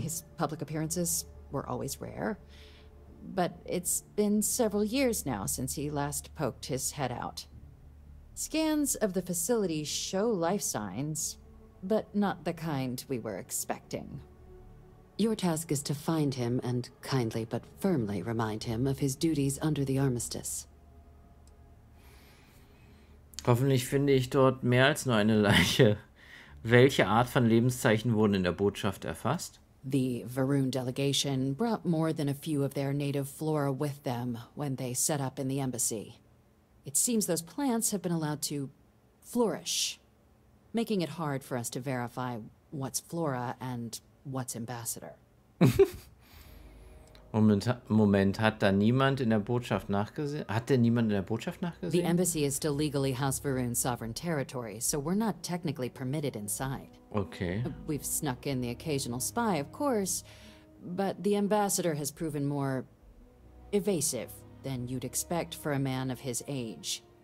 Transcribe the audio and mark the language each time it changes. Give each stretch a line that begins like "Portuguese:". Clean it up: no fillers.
English: His public appearances were always rare. But it's been several years now since he last poked his head out. Scans of the facility show life signs, but not the kind we were expecting. Your task is to find him and kindly but firmly remind him of his duties under the armistice.
German: Hoffentlich finde ich dort mehr als nur eine Leiche. Welche Art von Lebenszeichen wurden in der Botschaft erfasst?
English: The Varun delegation brought more than a few of their native flora with them when they set up in the embassy. It seems those plants have been allowed to flourish, making it hard for us to verify what's flora and what's ambassador.
German: Moment, hat da niemand in der Botschaft nachgesehen? Hat denn niemand in der Botschaft nachgesehen?
English: The embassy is still legally House Varun's sovereign territory, so we're not technically permitted inside. Okay. We've snuck in the occasional spy, of course, but the ambassador has proven more evasive than you'd expect for a man of his age.